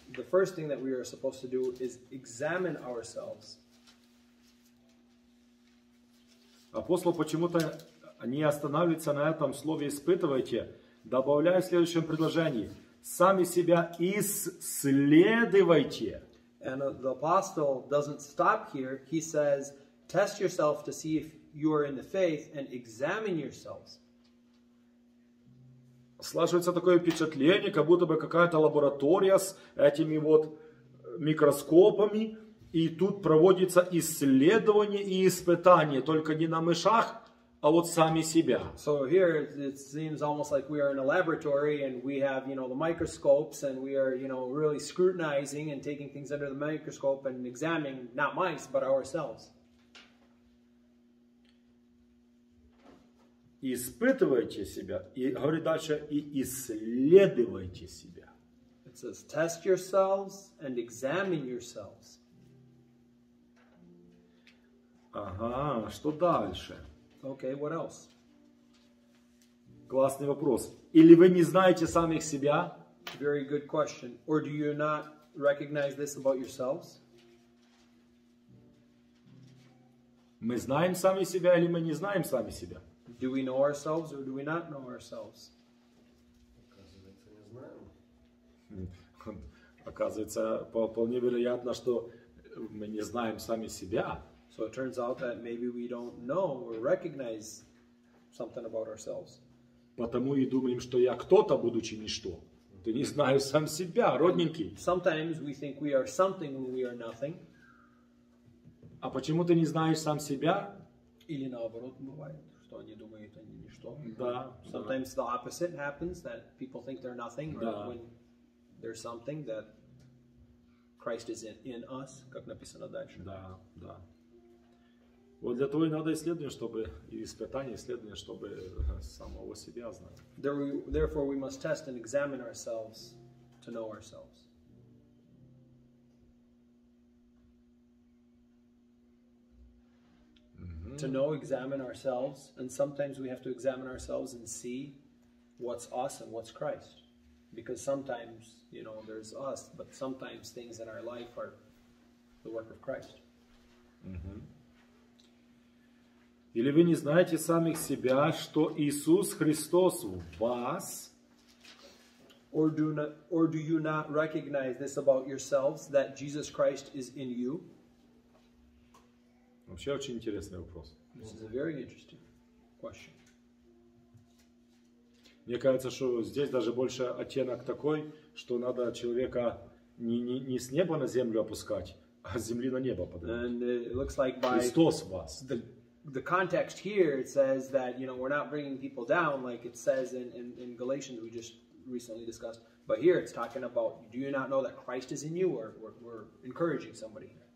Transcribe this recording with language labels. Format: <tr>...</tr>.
<en>The first thing that we are supposed to do is examine ourselves.</en> <ru>Апостол почему-то не останавливается на этом слове «испытывайте», добавляя в следующем предложении. Сами себя исследуйте.</ru> <en>And the apostle doesn't stop here. He says, test yourself to see if you are in the faith and examine yourselves.</en> <ru>Слаживается такое впечатление, как будто бы какая-то лаборатория с этими вот микроскопами. И тут проводится исследование и испытание. Только не на мышах, а вот сами себя.</ru> <en>So here it seems almost like we are in a laboratory and we have, you know, the microscopes and we are, you know, really scrutinizing and taking things under the microscope and examining not mice but ourselves.</en> <ru>Испытывайте себя и говорит дальше и исследуйте себя.</ru> <en>It says test yourselves and examine yourselves.</en> <ru>Ага, что дальше?</ru> <en>Okay, what else?</en> <ru>Классный вопрос. Или вы не знаете самих себя?</ru> <en>Very good question. Or do you not recognize this about yourselves?</en> <ru>Мы знаем сами себя или мы не знаем сами себя?</ru> <en>Do we know ourselves or do we not know ourselves?</en> <ru>Оказывается, не знаю. Оказывается, вполне вероятно, что мы не знаем сами себя.</ru> <en>So it turns out that maybe we don't know or recognize something about ourselves.</en> <ru>Потому и думаем, что я кто-то, будучи ничто. Ты не знаешь сам себя, родненький.</ru> <en>Sometimes we think we are something when we are nothing.</en> <ru>А почему ты не знаешь сам себя? Или наоборот, бывает. Что они думают, они ничто. Да.</ru> <en>Sometimes the opposite happens, that people think they're nothing,</en> <ru>да.</ru> <en>Or when they're something, that Christ is in us,</en> <ru>как написано дальше. Да, да. Вот для того и надо исследование, чтобы, и испытание, исследование, чтобы самого себя знать.</ru> <en>Therefore we must test and examine ourselves to know ourselves. To know, examine ourselves, and sometimes we have to examine ourselves and see what's us and what's Christ. Because sometimes, you know, there's us, but sometimes things in our life are the work of Christ.</en> <ru>Или вы не знаете самих себя, что Иисус Христос в вас?</ru> <en>Or do you not recognize this about yourselves, that Jesus Christ is in you?</en> <ru>Вообще очень интересный вопрос.</ru> <en>This is a very interesting question.</en> <ru>Мне кажется, что здесь даже больше оттенок такой, что надо человека не с неба на землю опускать, а с земли на небо подать. Like Христос в вас.</ru> <en>The context here it says that, you know, we're not bringing people down like it says in Galatians we just recently discussed, but here it's talking about do you not know that Christ is in you, or we're encouraging somebody.</en>